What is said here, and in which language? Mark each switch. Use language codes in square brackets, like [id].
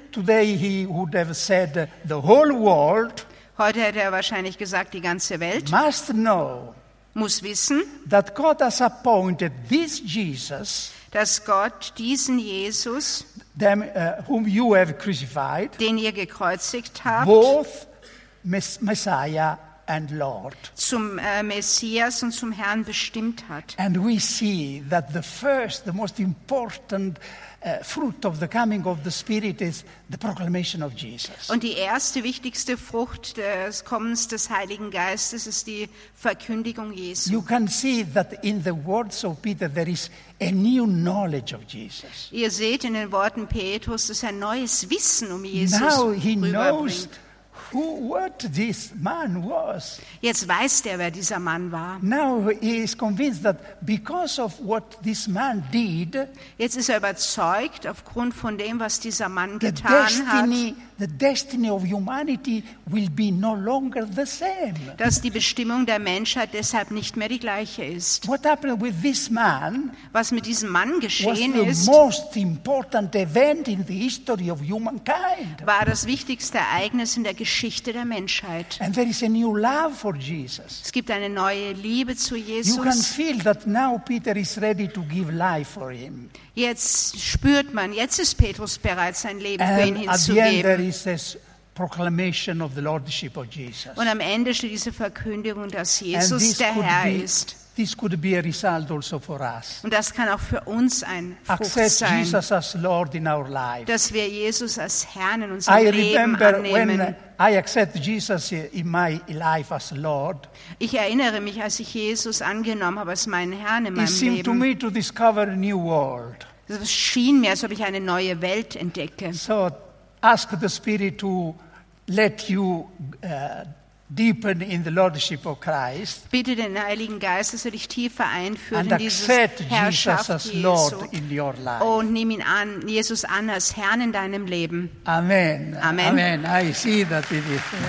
[en] today he would have said the whole world, [de] heute hätte er wahrscheinlich gesagt die ganze Welt, [en] must know, [de] muss wissen, [en] that God has appointed this Jesus, [de] dass Gott diesen Jesus, [en] whom you have crucified, [de] den ihr gekreuzigt habt, [en] both Messiah and Lord, [de] zum Messias und zum Herrn bestimmt hat. [en] And we see that the first, the most important fruit of the coming of the Spirit is the proclamation of Jesus. [de] Und die erste wichtigste Frucht des Kommens des Heiligen Geistes ist die Verkündigung Jesu. [en] You can see that in the words of Peter there is a new knowledge of Jesus. [de] Ihr seht in den Worten Petrus, dass ein neues Wissen um Jesus rüberbringt. [en] Now he knows who what this man was. [de] Jetzt weiß er, wer dieser Mann war. [en] Now he is convinced that because of what this man did, [de] jetzt ist er überzeugt aufgrund von dem, was dieser Mann [en] the destiny of humanity will be no longer the same. [de] Dass die Bestimmung der Menschheit deshalb nicht mehr die gleiche ist. [en] What happened with this man? [de] Was mit diesem Mann geschehen ist? [en] The most important event in the history of humankind. [de] War das wichtigste Ereignis in der Geschichte der Menschheit. [en] And there is a new love for Jesus. [de] Es gibt eine neue Liebe zu Jesus. [en] You can feel that now Peter is ready to give life for him. [de] Jetzt spürt man, jetzt ist Petrus bereit, sein Leben für ihn hinzugeben. [en] There is this proclamation of the lordship of Jesus. [de] Und am Ende steht diese Verkündigung, dass Jesus der Herr ist. [en] This could be a result also for us. [de] Und das kann auch für uns ein Frucht [en] accept [de] sein. [en] Jesus as Lord in our life. [de] Dass wir Jesus als Herrn in unserem Leben annehmen. [en] I remember when I accept Jesus in my life as Lord. [de] Ich erinnere mich, als ich Jesus angenommen habe als meinen Herrn in meinem Leben. [en] It seemed to me to discover a new world. [de] Es schien mir, als ob ich eine neue Welt entdecke. [en] So ask the Spirit to let you deepen in the Lordship of Christ. [de] Bitte den Heiligen Geist, dass er dich tiefer einführt [en] and [de] in diese Herrschaft [en] Jesus as Lord in your life. [de] Und nimm ihn an, Jesus an als Herrn in deinem Leben. [en] Amen. [de] Amen. [en] Amen. I see that it is.